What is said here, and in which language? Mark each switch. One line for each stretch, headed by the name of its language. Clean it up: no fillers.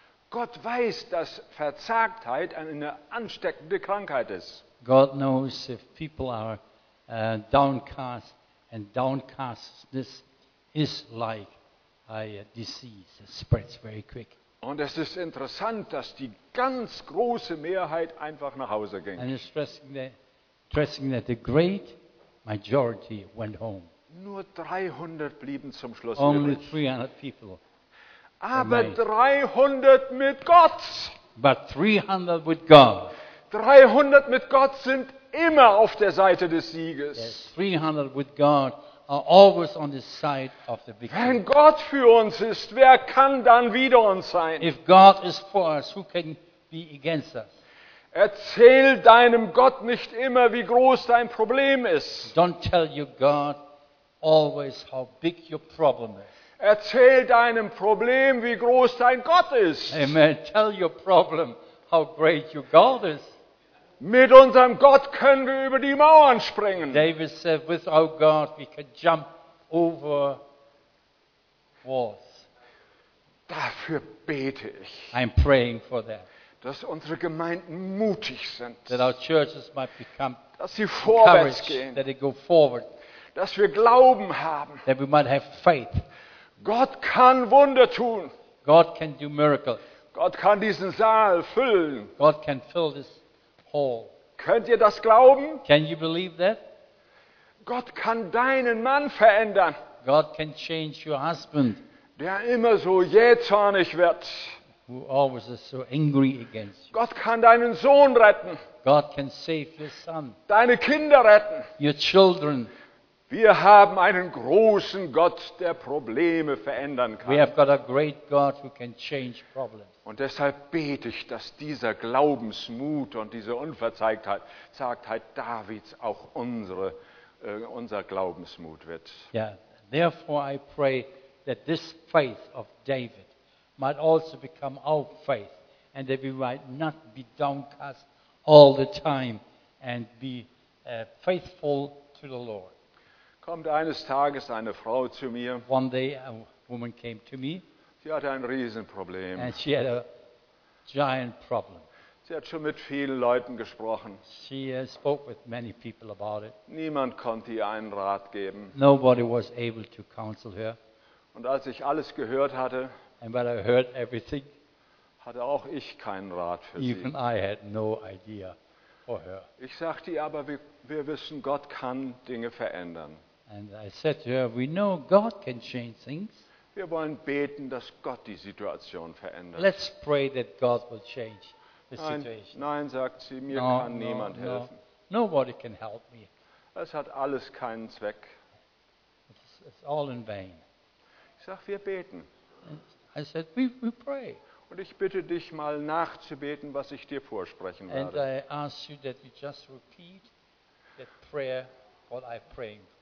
German: Gott weiß, dass Verzagtheit eine ansteckende Krankheit ist.
English: God knows if people are downcast, and downcastness is like a disease that spreads very quick.
German: Und es ist interessant, dass die ganz große Mehrheit einfach nach Hause ging.
English: And it's interesting that the great majority went home.
German: Nur 300 blieben zum Schluss
English: Only
German: übrig.
English: 300 people.
German: Aber 300 mit Gott.
English: But 300 with God.
German: 300 mit Gott sind immer auf der Seite des Sieges.
English: Yes, 300 with God are always on the side of the victory.
German: Wenn Gott für uns ist, wer kann dann wider uns sein?
English: If God is for us, who can be against us.
German: Erzähl deinem Gott nicht immer, wie groß dein Problem ist.
English: Don't tell your God always how big your problem is.
German: Erzähl deinem Problem, wie groß dein Gott ist. Amen.
English: Tell your problem how great your God is.
German: Mit unserem Gott können wir über die Mauern springen.
English: David said, with our God we can jump over walls.
German: Dafür bete ich.
English: I'm praying for that.
German: Dass unsere Gemeinden mutig sind.
English: That our churches might become
German: dass sie vorwärts gehen.
English: That they go forward.
German: Dass wir Glauben haben.
English: That we might have faith.
German: Gott kann Wunder tun.
English: God can do miracles.
German: Gott kann diesen Saal füllen.
English: God can fill this hall.
German: Könnt ihr das glauben?
English: Can you believe that?
German: Gott kann deinen Mann verändern.
English: God can change your husband.
German: Der immer so jähzornig wird.
English: Who always is so angry against you.
German: Gott kann deinen Sohn retten.
English: God can save your son.
German: Deine Kinder retten.
English: Your children.
German: Wir haben einen großen Gott, der Probleme verändern kann.
English: We have got a great God who can change problems.
German: Und deshalb bete ich, dass dieser Glaubensmut und diese Unverzagtheit, sagt halt Davids, auch unser Glaubensmut wird. Yeah.
English: Therefore I pray that this faith of David might also become our faith and that we might not be downcast all the time and be faithful to the Lord.
German: Kommt eines Tages eine Frau zu mir.
English: One day a woman came to me.
German: Sie hatte ein Riesenproblem.
English: And she had a giant problem.
German: Sie hat schon mit vielen Leuten gesprochen.
English: She spoke with many people about it.
German: Niemand konnte ihr einen Rat geben.
English: Nobody was able to counsel her.
German: Und als ich alles gehört hatte,
English: and when I heard everything,
German: hatte auch ich keinen Rat für
English: even
German: sie.
English: I had no idea for her.
German: Ich sagte ihr aber, wir wissen, Gott kann Dinge verändern.
English: And I said to her, we know God can change things.
German: Wir wollen beten, dass Gott die Situation verändert.
English: Let's pray that God will change the situation.
German: Nein, sagt sie, mir kann niemand helfen.
English: Nobody can help me.
German: Es hat alles keinen Zweck.
English: It's all in vain.
German: Ich sage, wir beten.
English: I said, we pray.
German: Und ich bitte dich mal nachzubeten, was ich dir vorsprechen werde.
English: And I ask you that you just repeat that prayer, what I'm praying.